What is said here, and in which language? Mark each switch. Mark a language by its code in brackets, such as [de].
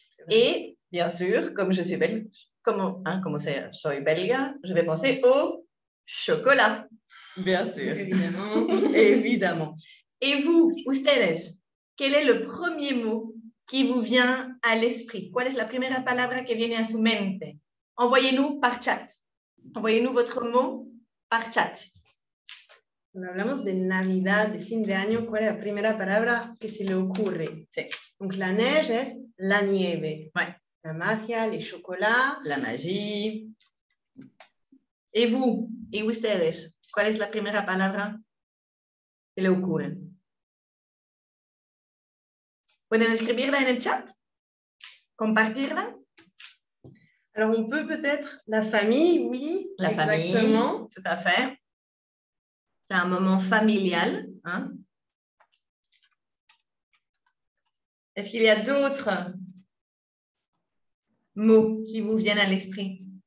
[fr] Et bien sûr, comme je suis belge, je vais penser au chocolat. Bien sûr. Évidemment. Évidemment. Et vous, ustedes, quel est le premier mot qui vous vient à l'esprit? [es] ¿Cuál es la primera palabra que viene a su mente? [fr] Envoyez-nous par chat. Envoyez-nous votre mot par chat. [es] Cuando hablamos de Navidad, de fin de año, ¿cuál es la primera palabra que se le ocurre? Sí. [fr] Donc la neige [es] es la nieve. [fr] Ouais. [es] La magia, [fr] les chocolats. La magie. Et vous, [es] y ustedes, ¿cuál es la primera palabra que le ocurre? ¿Pueden escribirla en el chat? ¿Compartirla? [fr] Alors on peut-être la famille, oui. La exactement. Famille, tout à fait. C'est un moment familial. Hein? Est-ce qu'il y a d'autres mots qui vous viennent à l'esprit?